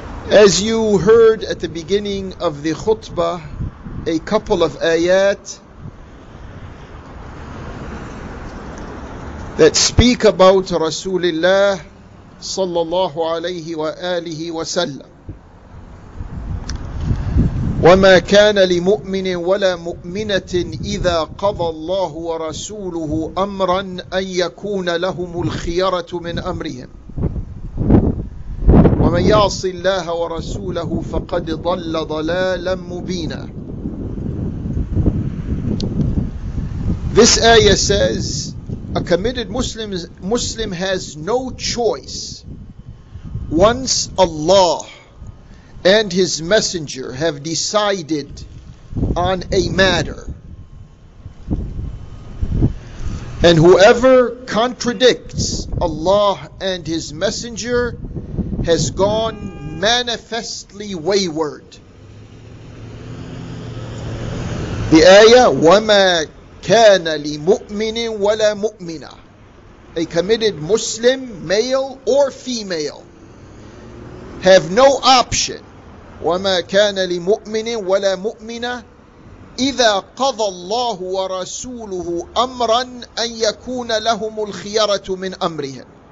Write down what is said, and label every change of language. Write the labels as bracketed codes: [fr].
[en] As you heard at the beginning of the khutbah, a couple of ayat that speak about Rasulullah sallallahu alayhi wa alihi wa sallam. [ar] وما كان لمؤمن ولا مؤمنة إذا قضى الله ورسوله أمرا أن يكون لهم الخيرة من أمرهم ومن يعص الله ورسوله فقد ضل ضلالا مبينا. [en] This ayah says a committed Muslim has no choice once Allah and His Messenger have decided on a matter. And whoever contradicts Allah and His Messenger has gone manifestly wayward. The ayah, [ar] وَمَا كَانَ لِمُؤْمِنٍ وَلَا مُؤْمِنَ. [en] A committed Muslim, male or female, have no option. [ar] وَمَا كَانَ لِمُؤْمِنٍ وَلَا مُؤْمِنَةٍ إِذَا قَضَى اللَّهُ وَرَسُولُهُ أَمْرًا أَنْ يَكُونَ لَهُمُ الْخِيَرَةُ مِنْ أَمْرِهِمْ.